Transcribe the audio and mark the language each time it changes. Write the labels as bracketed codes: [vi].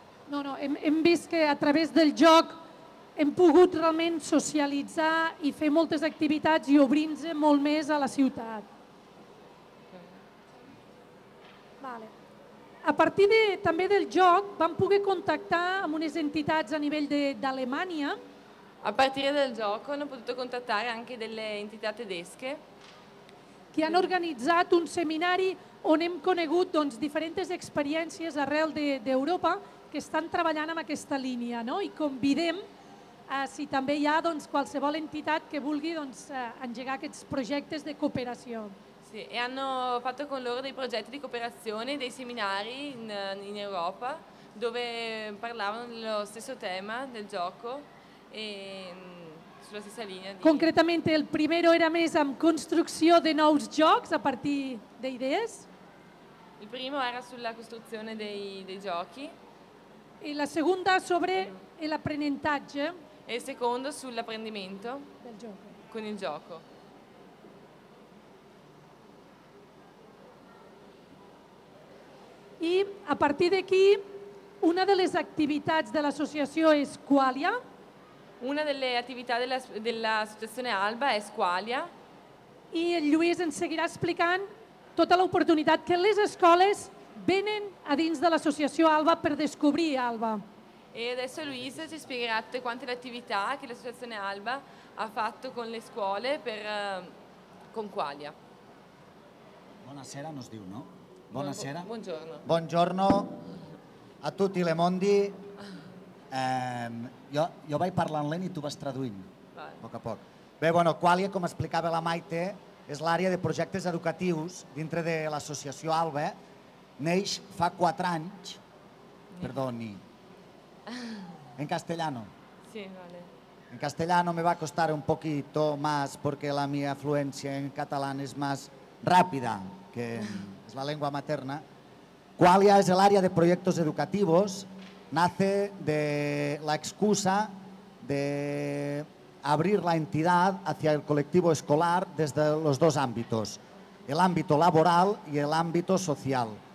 [ca] No, hem vist que a través del joc hem pogut realment socialitzar i fer moltes activitats i obrir-nos molt més a la ciutat. Vale. A partir també del joc vam poder contactar amb unes entitats a nivell d'Alemanya. A partir del joc [it] hanno potuto contattare anche delle entità tedesche. Che hanno organizzato [ca] un seminari on hem conegut doncs, diferents experiències arrel d'Europa que estan treballant amb aquesta línia, no? I convidem a si també hi ha doncs, qualsevol entitat que vulgui doncs, engegar aquests projectes de cooperació. [it] Sí, e hanno fatto con loro dei progetti di cooperazione, dei seminari in Europa, dove parlavano dello stesso tema del gioco e sulla stessa linea. Concretamente il primo era [ca] més amb construcció de nous jocs a partir d'idees. [it] Il primo era sulla costruzione dei giochi. E la seconda sobre l'apprendimento. E il secondo sull'apprendimento del gioco. Con il gioco. [ca] I a partir d'aquí, una de les activitats de l'associació és Qualia. [it] Una delle attività dell'associazione ALBA è Qualia. [ca] I el Lluís ens seguirà explicant tota l'oportunitat que les escoles venen a dins de l'associació ALBA per descobrir ALBA. [it] E adesso Luisa ci spiegherà tutte quante le attività che l'associazione ALBA ha fatto con le scuole con Qualia. Buonasera, nos diu, no? Buonasera. Buongiorno. Buongiorno a tutti le mondi. [ca] Jo vaig parlant lent i tu vas traduint, a poc a poc. Bé, bueno, Qualia, com explicava la Maite, és l'àrea de projectes educatius dintre de l'associació ALBA. Neix fa 4 anys, perdoni, [es] en castellano. Sí, vale. En castellano me va costar un poquito más porque la mi afluencia en catalán es más rápida, que es la lengua materna. Qualia es el área de proyectos educativos, nace de la excusa de abrir la entidad hacia el colectivo escolar desde los dos ámbitos, el ámbito laboral y el ámbito social.